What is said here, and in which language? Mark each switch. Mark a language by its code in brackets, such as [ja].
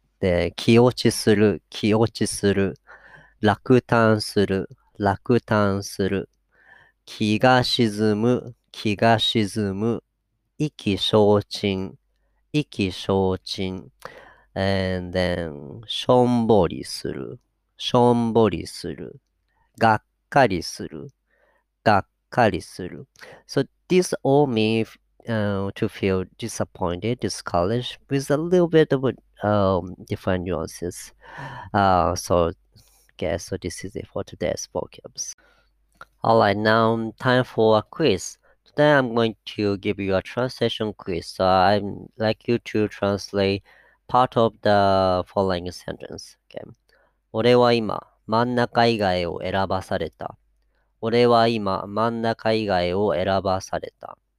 [ja] で、気落ちする、気落ちする、落胆する、落胆する、気が沈む、気が沈む、意気消沈、意気消沈、 [en] and then、 [ja] しょんぼりする、しょんぼりする、がっかりする、がっかりする。 [en] So this all means to feel disappointed, discouraged, with a little bit of a different nuances. So this is it for today's vocabs. All right, now time for a quiz. Today I'm going to give you a translation quiz. So I'd like you to translate part of the following sentence. Okay. [ja] 俺は今真ん中以外を選ばされた。俺は今真ん中以外を選ばされた。